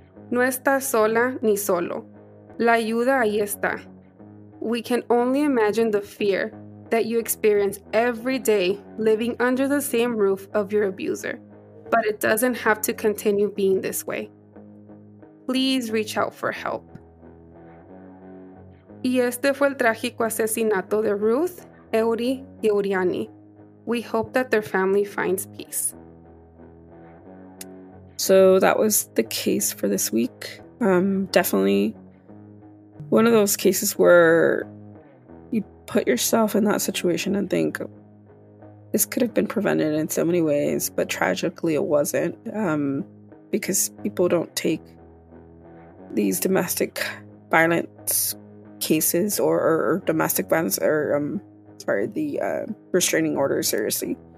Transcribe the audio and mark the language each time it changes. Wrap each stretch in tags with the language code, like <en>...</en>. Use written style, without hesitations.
<es>No estás sola ni solo. La ayuda ahí está.</es> <en>We can only imagine the fear that you experience every day living under the same roof of your abuser. But it doesn't have to continue being this way. Please reach out for help.</en> <es>Y este fue el trágico asesinato de Ruth, Eury, y Eurianny.</es> <en>We hope that their family finds peace. So that was the case for this week. Definitely one of those cases where you put yourself in that situation and think this could have been prevented in so many ways, but tragically it wasn't, because people don't take these domestic violence cases or the restraining order seriously.</en>